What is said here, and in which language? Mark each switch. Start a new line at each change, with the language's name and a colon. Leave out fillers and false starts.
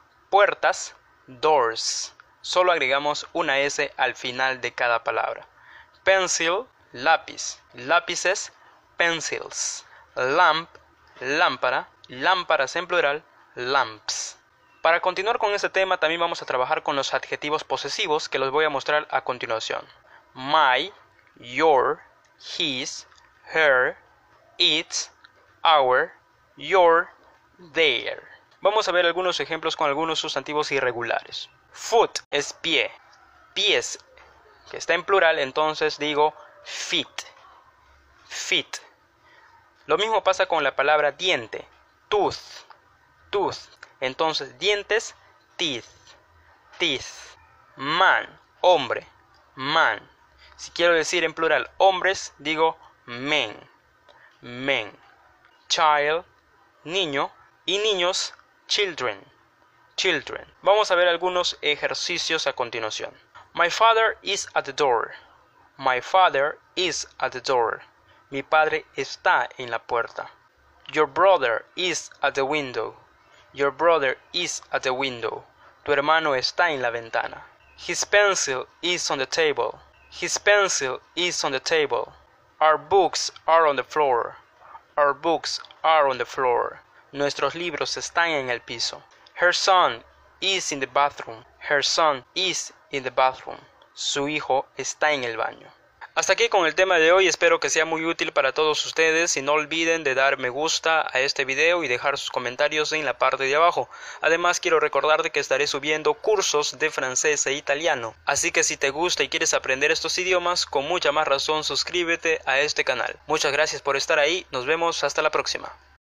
Spanish: Puertas, doors. Solo agregamos una S al final de cada palabra. Pencil, lápiz. Lápices, pencils. Lamp, lámpara. Lámparas en plural, lamps. Para continuar con este tema, también vamos a trabajar con los adjetivos posesivos que los voy a mostrar a continuación.
English: My, your, his, her, its, our, your, their.
Spanish: Vamos a ver algunos ejemplos con algunos sustantivos irregulares. Foot es pie. Pies, que está en plural, entonces digo feet. Feet. Lo mismo pasa con la palabra diente.
English: Tooth. Tooth. Entonces, dientes, teeth, teeth. Man, hombre, man.
Spanish: Si quiero decir en plural hombres, digo men, men. Child, niño. Y niños, children, children. Vamos a ver algunos ejercicios a continuación.
English: My father is at the door. My father is at the door.
Spanish: Mi padre está en la puerta.
English: Your brother is at the window. Your brother is at the window.
Spanish: Tu hermano está en la ventana.
English: His pencil is on the table. His pencil is on the table. Our books are on the floor. Our books are on the floor.
Spanish: Nuestros libros están en el piso.
English: Her son is in the bathroom. Her son is in the bathroom.
Spanish: Su hijo está en el baño. Hasta aquí con el tema de hoy, espero que sea muy útil para todos ustedes y no olviden de dar me gusta a este video y dejar sus comentarios en la parte de abajo. Además quiero recordarte que estaré subiendo cursos de francés e italiano, así que si te gusta y quieres aprender estos idiomas, con mucha más razón suscríbete a este canal. Muchas gracias por estar ahí, nos vemos hasta la próxima.